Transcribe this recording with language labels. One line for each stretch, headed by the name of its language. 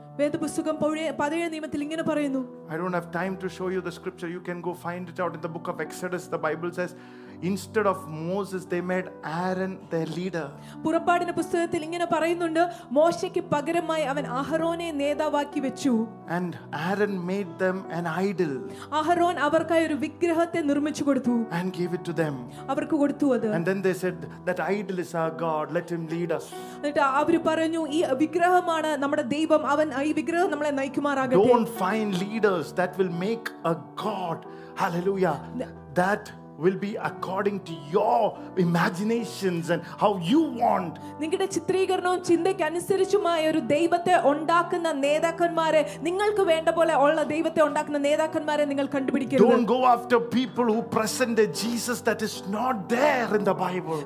Malayalam: വേദപുസ്തകം 17 നിയമത്തിൽ ഇങ്ങനെ പറയുന്നു.
English: I don't have time to show you the scripture. You can go find it out in the book of Exodus. The Bible says instead of Moses they made Aaron their leader.
Malayalam: പുറപ്പാടിന്റെ പുസ്തകത്തിൽ ഇങ്ങനെ പറയുന്നുണ്ട്, മോശയ്ക്ക് പകരമായി അവൻ അഹരോനെ നേതാവാക്കി വെച്ചു.
English: And Aaron made them an idol.
Malayalam: അഹരോൻ അവർക്കായി ഒരു വിഗ്രഹത്തെ നിർമ്മിച്ചു കൊടുത്തു.
English: And gave it to them.
Malayalam: അവർക്ക് കൊടുത്തു അത്.
English: And then they said that idol is our god, let him lead us.
Malayalam: എന്നിട്ട് അവർ പറഞ്ഞു, ഈ വിഗ്രഹമാണ് നമ്മുടെ ദൈവം, അവൻ ഈ വിഗ്രഹം നമ്മളെ നയിക്കുമാറാകട്ടെ.
English: Don't find leaders that will make a god. Hallelujah. That will be according to your imaginations and how you want.
Malayalam: നിങ്ങളുടെ ചിത്രീകരണവും ചിന്തയ്ക്കനുസരിച്ചുമായ ഒരു ദൈവത്തെ ഉണ്ടാക്കുന്ന നേതാക്കന്മാരെ, നിങ്ങൾക്ക് വേണ്ട പോലെ ഉള്ള ദൈവത്തെ ഉണ്ടാക്കുന്ന നേതാക്കന്മാരെ നിങ്ങൾ കണ്ടുപിടിക്കരുത്.
English: Don't go after people who present a Jesus that is not there in the Bible.